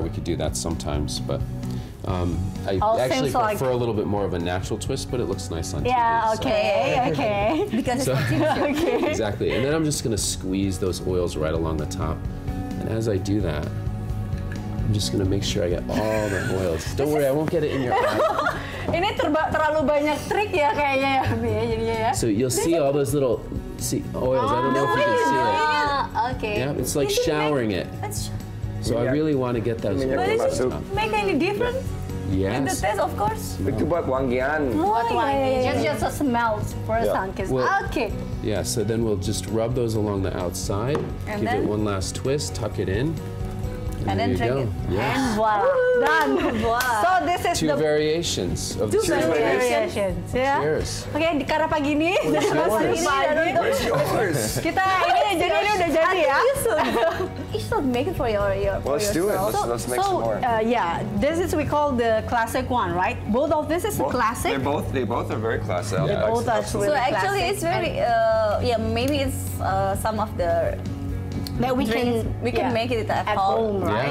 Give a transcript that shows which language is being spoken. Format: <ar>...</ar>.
<en>We could do that sometimes, but I prefer a little bit more of a natural twist, but it looks nice on TV. Exactly. And then I'm just gonna squeeze those oils right along the top. And as I do that, I'm just gonna make sure I get all the oils. Don't worry, I won't get it in your eye.</en> <id>Ini terlalu banyak trik ya kayaknya ya, jadinya ya.</id> <en>So you'll see all those little oils. Oh, I don't know if you can see it. Okay. Yeah, it's like showering it. So I really want to get those oils. But does it make any difference? Yes. In the taste, of course.</en> <id>Itu buat wangian. Buat wangian.</id> <en>Just a smell for a sunkiss. Well, okay. Yeah, so then we'll just rub those along the outside, and give it one last twist, tuck it in, and then there you drink go. It. Yes. And voila, Woo-hoo. Done. Voila. So this is two variations of two the two variations. Yeah. Cheers.</en> <id>Okay, di karena pagi ini, kita ini jadi ini udah jadi ya.</id> <en>You should make it for your Let's Do it. Let's make some more. This is we call the classic one, right? Both of this is a classic. They both are very classic. Yeah. They both are really so classic. Actually, it's very maybe it's some of the that we drinks. Can we can make it at home, right?</en>